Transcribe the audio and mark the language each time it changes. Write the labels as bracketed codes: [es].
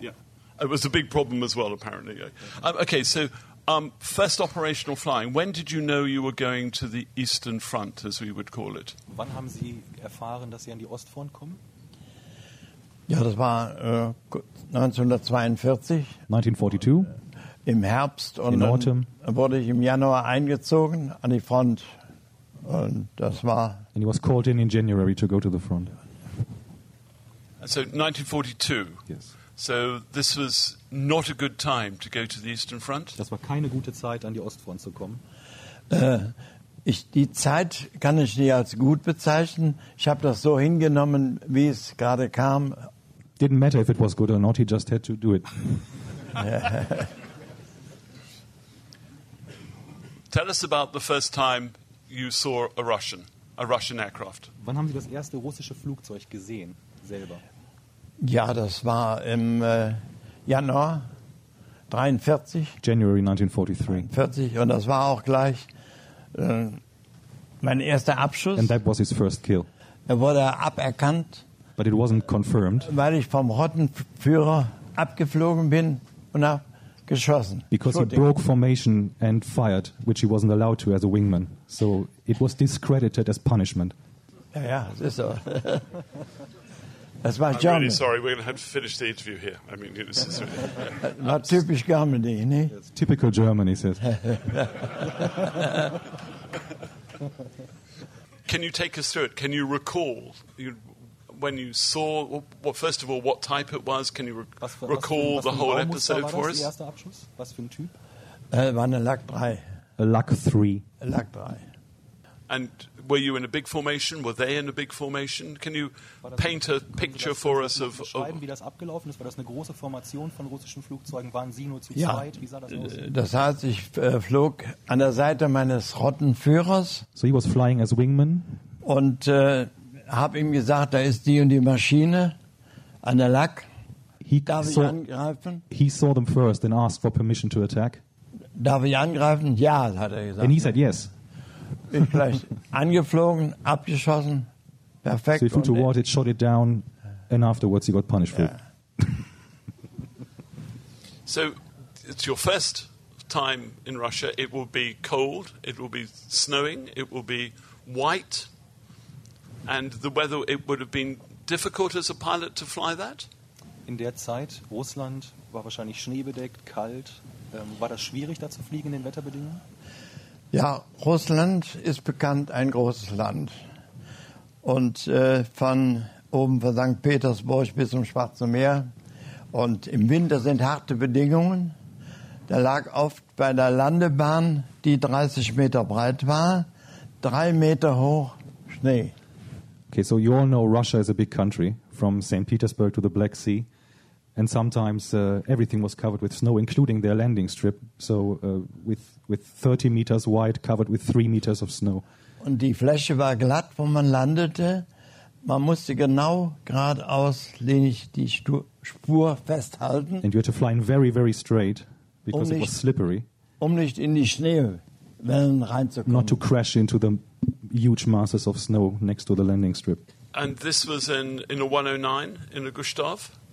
[en] Yeah, it was a big problem as well, apparently. Okay, so. First operational flying. When did you know you were going to the Eastern Front, as we would call it? [de] Wann haben Sie erfahren, dass Sie an die Ostfront kommen? Ja, das war 1942. [en] 1942. [de] Im Herbst. [en] In autumn. [de] Wurde ich im Januar eingezogen an die Front. Und das war... [en] And he was called in January to go to the front. So, 1942. Yes. So this was not a good time to go to the Eastern Front. [de] Das war keine gute Zeit, an die Ostfront zu kommen. Die Zeit kann ich nicht als gut bezeichnen. Ich habe das so hingenommen, wie es gerade kam. [en] Didn't matter if it was good or not. He just had to do it. Tell us about the first time you saw a Russian aircraft. [de] Wann haben Sie das erste russische Flugzeug gesehen, selber? Ja, das war im Januar 43. [en] January 1943. [de] 40, und das war auch gleich mein erster Abschuss. [en] And that was his first kill. [de] Er wurde aberkannt. [en] But it wasn't confirmed. [de] Weil ich vom Rottenführer abgeflogen bin und habe geschossen. [en] Because he broke formation and fired, which he wasn't allowed to as a wingman. So it was discredited as punishment. [de] Ja, ja, das ist so. [en] That's my I'm German. Really sorry, we're going to have to finish the interview here. I mean, this is really... Not typisch Germany, eh? Nee? It's typical Germany, he says. Can you take us through it? Can you recall when you saw... Well, first of all, what type it was? Can you recall the whole episode for us? [de] Was für ein Typ? War eine Lack 3. [en] A Lack 3. A Lack 3. And were you in a big formation? Were they in a big formation? Can you paint a picture for us of? [de] Beschreiben, wie das abgelaufen ist. War das eine große Formation von russischen Flugzeugen? Waren Sie nur zu zweit? Ja, wie sah das aus? Das heißt, ich flog an der Seite meines Rottenführers. [en] So he was flying as wingman. [de] Und habe ihm gesagt, da ist die und die Maschine an der Lack. Darf ich angreifen? [en] He saw them first and asked for permission to attack. [de] Darf ich angreifen? Ja, hat er gesagt. [en] And he said yes. [de] Bin gleich angeflogen, abgeschossen, perfekt. [en] So he flew toward it, shot it down, and afterwards he got punished for it. So it's your first time in Russia. It will be cold, it will be snowing, it will be white, and the weather, it would have been difficult as a pilot to fly that? [de] In der Zeit, Russland war wahrscheinlich schneebedeckt, kalt. War das schwierig, da zu fliegen in den Wetterbedingungen? Ja, Russland ist bekannt ein großes Land. Und von oben von St. Petersburg bis zum Schwarzen Meer. Und im Winter sind harte Bedingungen. Da lag oft bei der Landebahn, die 30 Meter breit war, 3 Meter hoch Schnee. [en] Okay, so you all know Russia is a big country, from St. Petersburg to the Black Sea. And sometimes everything was covered with snow, including their landing strip. So with 30 meters wide, covered with 3 meters of snow. [de] Und die Fläche war glatt, wo man landete. Man musste genau geradeauslinig die Spur festhalten. [en] And you had to fly in very, very straight, because it was slippery. [de] Um nicht in die Schneewellen reinzukommen. [en] Not to crash into the huge masses of snow next to the landing strip. And this was in a 109, in a Gustav?